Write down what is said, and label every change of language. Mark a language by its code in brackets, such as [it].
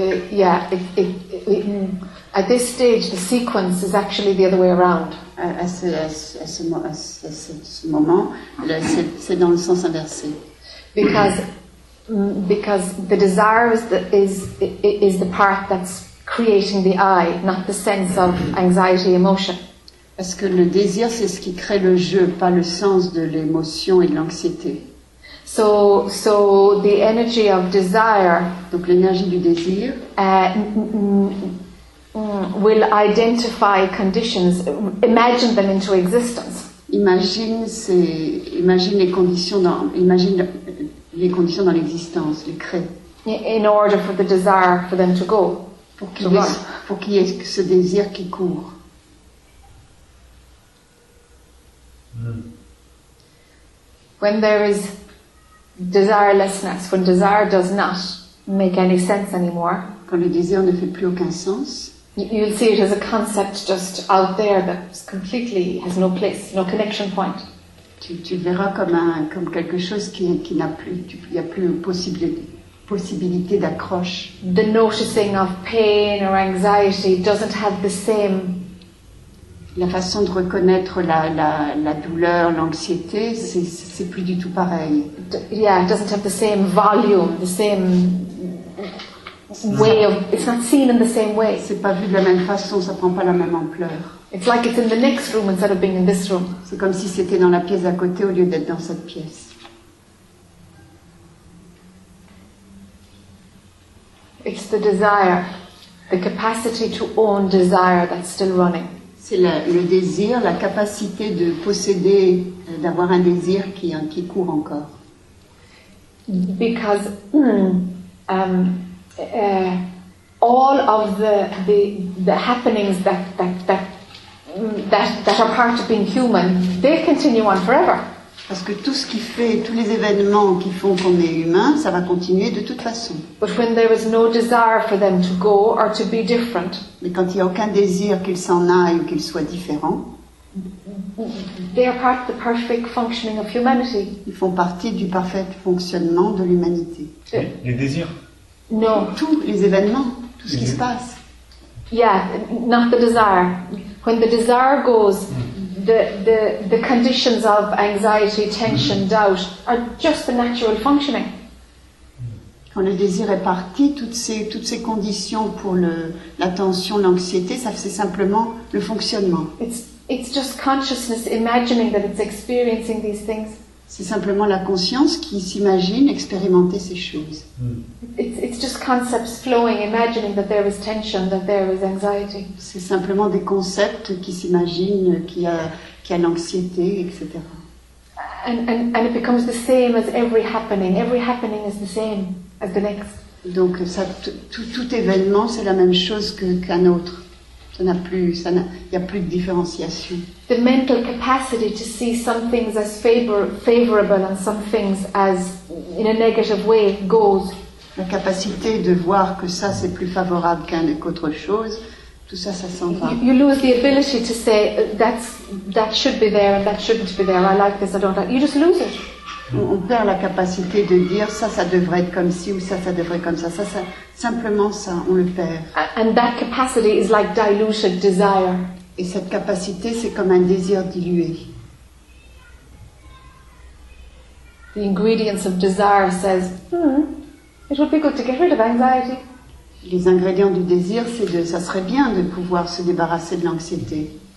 [en] At this stage, the sequence is actually the other way around. [fr] À ce moment, c'est dans le sens inversé. [en] Because the desire is the part that's creating the I, not the sense of anxiety, emotion. [fr] Parce que le désir, c'est ce qui crée le jeu, pas le sens de l'émotion et de l'anxiété. [en] So the energy of desire, [fr] donc l'énergie du désir, [en] will identify conditions, imagine them into existence. [fr] Imagine les conditions dans l'existence, les créer. [en] In order for the desire for them to go. [fr] Pour qu'il y ait ce désir qui court. [en] When there is desirelessness, when desire does not make any sense anymore, [fr] quand le désir ne fait plus aucun sens, [en] you'll see it as a concept just out there that completely has no place, no connection point. [fr] Tu verras comme quelque chose qui n'a plus, il n'y a plus possibilité d'accroche. [en] The noticing of pain or anxiety doesn't have the same. [fr] La façon de reconnaître la douleur, l'anxiété, c'est plus du tout pareil. [en] Yeah, it doesn't have the same volume, the same. It's not seen in the same way. [fr] C'est pas vu de la même façon, ça prend pas la même ampleur. [en] It's like it's in the next room instead of being in this room. [fr] C'est comme si c'était dans la pièce à côté au lieu d'être dans cette pièce. [en] It's the desire, the capacity to own desire that's still running. [fr] C'est le désir, la capacité de posséder, d'avoir un désir qui court encore. [en] Because all of the happenings that are part of being human, they continue on forever. [fr] Parce que tout ce qui fait, tous les événements qui font qu'on est humain, ça va continuer de toute façon. [en] But when there is no desire for them to go or to be different, [fr] mais quand il n'y a aucun désir qu'ils s'en aillent ou qu'ils soient différents, [en] they are part of the perfect functioning of humanity. [fr] Ils font partie du parfait fonctionnement de l'humanité. Les désirs. Non, tous les événements, tout ce qui se passe. [en] Yeah, not the desire. When the desire goes, the conditions of anxiety, tension, doubt are just the natural functioning. [fr] Quand le désir est parti, toutes ces conditions pour la tension, l'anxiété, ça c'est simplement le fonctionnement. [en] It's just consciousness imagining that it's experiencing these things. [fr] C'est simplement la conscience qui s'imagine expérimenter ces choses. [en] It's just concepts flowing, imagining that there is tension, that there is anxiety. [fr] C'est simplement des concepts qui s'imaginent qu'il y a l'anxiété, etc. [en] And it becomes the same as every happening. Every happening is the same as the next. [fr] Donc ça, tout événement, c'est la même chose qu'un autre. Ça n'a plus, ça n'a, y a plus de différenciation. [en] The mental capacity to see some things as favorable and some things as in a negative way goes. [fr] La capacité de voir que ça c'est plus favorable qu'autre chose, Tout ça, ça s'en va. [en] You lose the ability to say that should be there and that shouldn't be there. I like this, I don't like. You just lose it. [fr] On perd la capacité de dire ça, ça devrait être comme ci ou ça, ça devrait être comme ça. Ça, ça simplement ça, on le perd. [en] And that capacity is like diluted desire. [fr] Et cette capacité, c'est comme un désir dilué. [en] The ingredients of desire says, it would be good to get rid of anxiety. [fr] Les ingrédients du désir, c'est de, ça serait bien de pouvoir se débarrasser de l'anxiété.